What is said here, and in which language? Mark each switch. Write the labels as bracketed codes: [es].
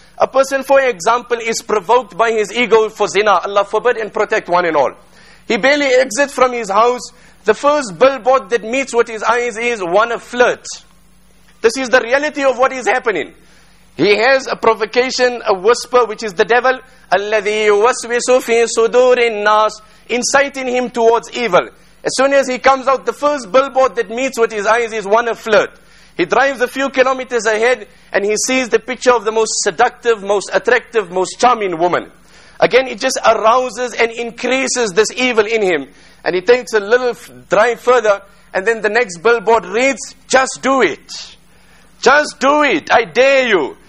[en] A person, for example, is provoked by his ego for zina. Allah forbid and protect one and all. He barely exits from his house. The first billboard that meets what his eyes is, "Wanna flirt." This is the reality of what is happening. He hears a provocation, a whisper, which is the devil. [ar] الَّذِي يُوَسْوِسُ فِي صُدُورِ النَّاسِ, [en] inciting him towards evil. As soon as he comes out, the first billboard that meets with his eyes is one of flirt. He drives a few kilometers ahead and he sees the picture of the most seductive, most attractive, most charming woman. Again, it just arouses and increases this evil in him. And he takes a little drive further and then the next billboard reads, just do it. Just do it. I dare you.